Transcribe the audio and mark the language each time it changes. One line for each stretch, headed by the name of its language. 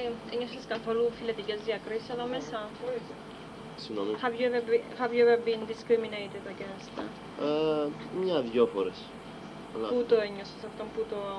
Greek: Ένιωσες καθόλου φιλετικές διακρίσεις εδώ μέσα? Συγγνώμη.
English: Have you ever been discriminated against?
Greek: Μια-δυο φορές. Πού το ένιωσες αυτό, πού το...